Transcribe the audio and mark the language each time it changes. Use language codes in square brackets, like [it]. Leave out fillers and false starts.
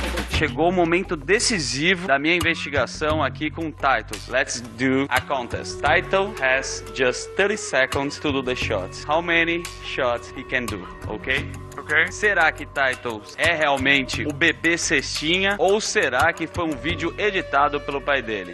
[pt] Chegou o momento decisivo da minha investigação aqui com o Titus. [en] Let's do a contest. Titus has just 30 seconds to do the shots. How many shots he can do, ok? Ok. [pt] Será que Titus é realmente o bebê cestinha? Ou será que foi um vídeo editado pelo pai dele?